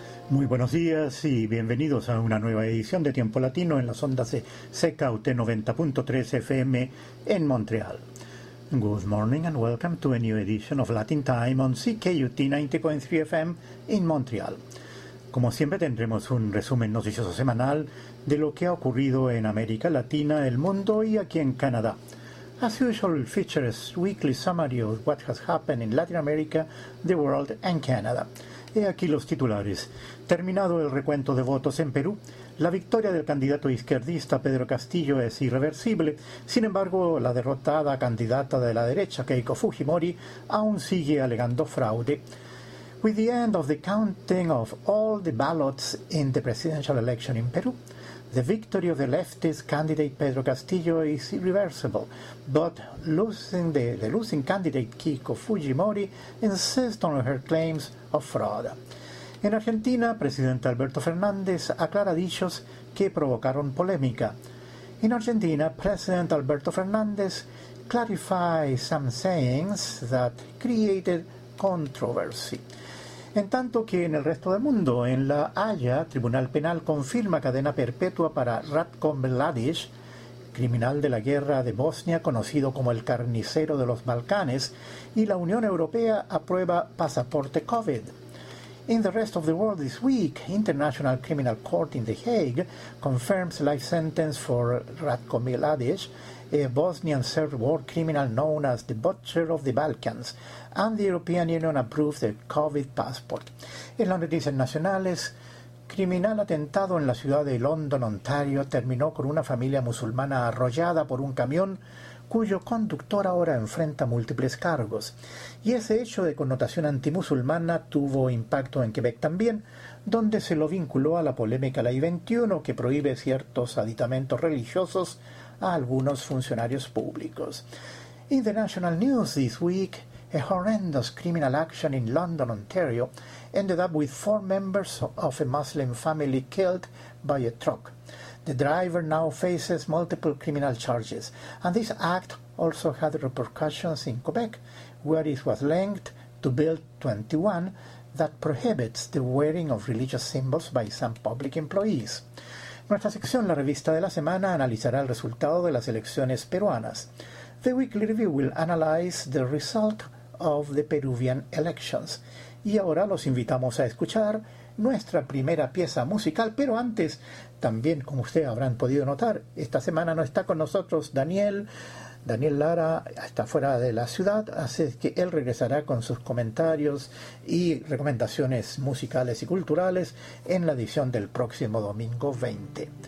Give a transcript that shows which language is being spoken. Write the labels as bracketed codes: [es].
[es] Muy buenos días y bienvenidos a una nueva edición de Tiempo Latino en las ondas de CKUT 90.3 FM en Montreal. [en] Good morning and welcome to a new edition of Latin Time on CKUT 90.3 FM in Montreal. [es] Como siempre, tendremos un resumen noticioso semanal de lo que ha ocurrido en América Latina, el mundo y aquí en Canadá. [en] As usual, we'll feature a weekly summary of what has happened in Latin America, the world and Canada. [es] He aquí los titulares. Terminado el recuento de votos en Perú, la victoria del candidato izquierdista Pedro Castillo es irreversible. Sin embargo, la derrotada candidata de la derecha, Keiko Fujimori, aún sigue alegando fraude. [en] With the end of the counting of all the ballots in the presidential election in Peru, the victory of the leftist candidate Pedro Castillo is irreversible, but losing candidate Keiko Fujimori insists on her claims of fraud. [es] En Argentina, presidente Alberto Fernández aclara dichos que provocaron polémica. [en] In Argentina, President Alberto Fernández clarifies some sayings that created controversy. [es] En tanto que en el resto del mundo, en La Haya, Tribunal Penal confirma cadena perpetua para Ratko Mladic, criminal de la guerra de Bosnia conocido como el carnicero de los Balcanes, y la Unión Europea aprueba pasaporte COVID. [en] In the rest of the world this week, International Criminal Court in The Hague confirms life sentence for Ratko Mladic, a Bosnian Serb war criminal known as the Butcher of the Balkans, and the European Union approves the COVID passport. [es] En las noticias nacionales, criminal atentado en la ciudad de London, Ontario, terminó con una familia musulmana arrollada por un camión cuyo conductor ahora enfrenta múltiples cargos. Y ese hecho de connotación antimusulmana tuvo impacto en Quebec también, donde se lo vinculó a la polémica Ley 21 que prohíbe ciertos aditamentos religiosos a algunos funcionarios públicos. [en] In the national news this week, a horrendous criminal action in London, Ontario, ended up with four members of a Muslim family killed by a truck. The driver now faces multiple criminal charges, and this act also had repercussions in Quebec, where it was linked to Bill 21 that prohibits the wearing of religious symbols by some public employees. [es] Nuestra sección, la revista de la semana, analizará el resultado de las elecciones peruanas. [en] The Weekly Review will analyze the result of the Peruvian elections. [es] Y ahora los invitamos a escuchar nuestra primera pieza musical, pero antes, también como ustedes habrán podido notar, esta semana no está con nosotros Daniel Lara está fuera de la ciudad, así que él regresará con sus comentarios y recomendaciones musicales y culturales en la edición del próximo domingo 20.